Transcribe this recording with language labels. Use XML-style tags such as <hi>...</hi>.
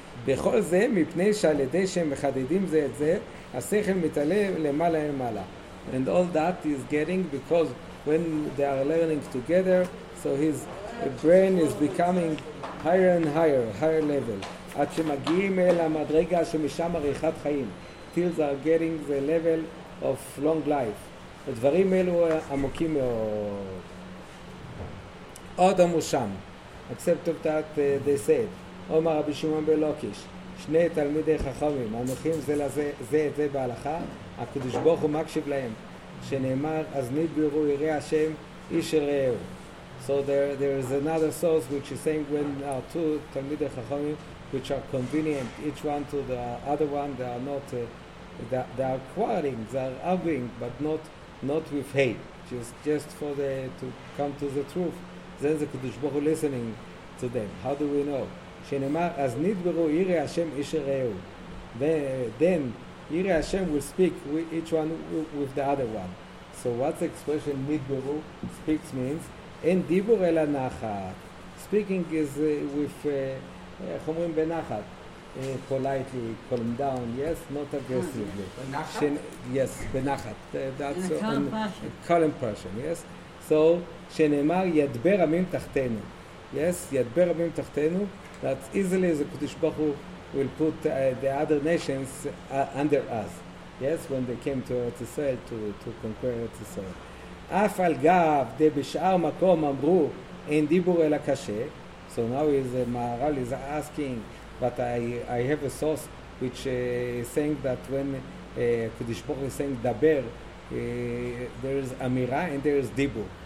<he>בכל זה מפני שעל ידי שהם מחדדים זה את זה, השכל מתעלה למעלה למעלה.</he> <en>And all that is getting because when they are learning together, so his brain is becoming higher and higher, higher level.</en> <he>עד שמגיעים אל המדרגה שמשם עריכת חיים.</he> <en>Till they are getting the level of long life.</en> <he>הדברים אלו עמוקים מאוד. עוד המושם.</he> <en>Except of that they said.</en> <he>אומר רבי שמעון בן לקיש, שני תלמידי חכמים, אנוכים זה לזה, זה את זה בהלכה, הקדוש ברוך הוא מקשיב להם, שנאמר, אז נדברו יראי השם, איש הרעהו.</he> <en>So there is another source which is saying when our two תלמידי חכמים, which are convenient, each one to the other one, they are not, they are quarreling, they are arguing, but not with hate, just for the, to come to the truth. Then the קדוש ברוך הוא listening to them. How do we know?</en> <he>שנאמר, אז נדברו יראי השם איש הרעהו.</he> <en>Then, יראי השם will speak each one with the other one. So what's the expression נדברו speaks means?</en> <he>אין דיבור אלא נחת.</he> <en>Speaking is with,</en> <he>איך אומרים בנחת?</he> <en>Politely, calm down, yes? Not aggressively.</en> <he>בנחת?</he> <en>Yes, בנחת. That's a calm person. Calm person, yes?</en> <he>So, שנאמר, ידבר עמים תחתנו. Yes, ידבר עמים תחתנו.</he> <en>That easily the Kodesh Baruch Hu will put the other nations under us. Yes, when they came to Eretz Yisrael to conquer Eretz Yisrael.</en> <he>Af al gav de bishar makom amru en dibur el akashe.</he> <en>So now Maharal is asking, but I have a source which is saying that when Kodesh Baruch Hu is saying daber, there is amira and there is dibur.</en>